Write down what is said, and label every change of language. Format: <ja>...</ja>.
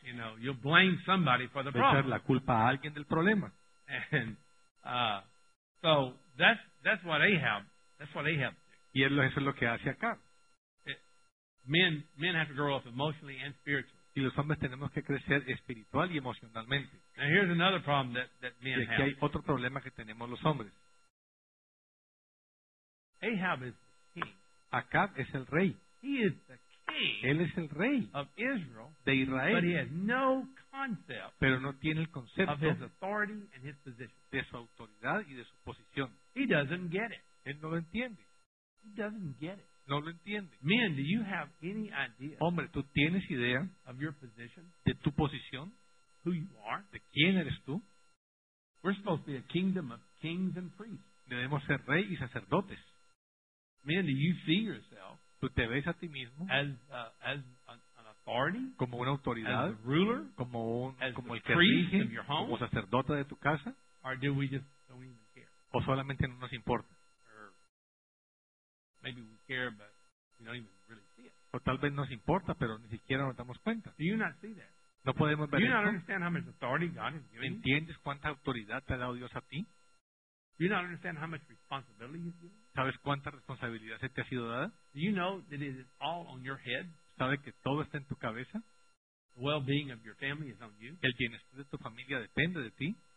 <en>You know, you'll blame somebody for the problem.</en> <es>Echar la culpa a alguien del problema.</es> <en>And, so that's what Ahab. That's what Ahab did.</en> <es>Y eso es lo que hace acá.</es> <en>Men have to grow up emotionally and spiritually.</en> <es>Y los hombres tenemos que crecer espiritual y emocionalmente.</es> <en>Now here's another problem that men have.</en> <es>Y aquí hay otro problema que tenemos los hombres.</es> <en>Ahab is the king.</en> <es>Acab es el rey.</es> <en>He is the king.</en> <es>Él es el rey.</es> <en>Of Israel.</en> <es>De Israel.</es> <en>But he has no concept.</en> <es>Pero no tiene el concepto.</es> <en>Of his authority and his position.</en> <es>De su autoridad y de su posición.</es> <en>He doesn't get it.</en> <es>Él no lo entiende.</es> <en>He doesn't get it.</en> <es>No lo entiende.</es> <en>Men, do you have any idea?</en> <es>Hombre, ¿tú tienes idea?</es> <en>Of your position?</en> <es>De tu posición.</es> <en>Who you are?</en> <es>¿De quién eres tú?</es> <en>We're supposed to be a kingdom of kings and priests.</en> <es>Debemos ser rey y sacerdotes.</es> <en>Men, do you see yourself?</en> <es>¿Tú te ves a ti mismo?</es> <en>As an authority?</en> <es>Como una autoridad.</es> <en>As a ruler?</en> <es>Como un</es> <en>as</en> <es>como</es> <en>the</en> <es>el que rige,</es> <en>priest of your home?</en> <es>Como sacerdote de tu casa.</es> <en>Or do we just don't even care?</en> <es>O solamente no nos importa.</es> <en>Or maybe we care, but we don't even really see it.</en> <es>O tal vez nos importa, pero ni siquiera nos damos cuenta.</es> <en>Do you not see that?</en> <es>No podemos ver.</es> <en>Do you not understand how much authority God has given you?</en> <es>¿Entiendes cuánta autoridad te ha dado Dios a ti?</es> <en>Do you not understand how much responsibility He's given?</en> <es>¿Sabes cuánta responsabilidad se te ha sido dada?</es> <en>Do you know that it is all on your head?</en> <es>¿Sabes que todo está en tu cabeza?</es> <en>The well-being of your family is on you.</en> <es>El bienestar de tu familia depende de ti.</es>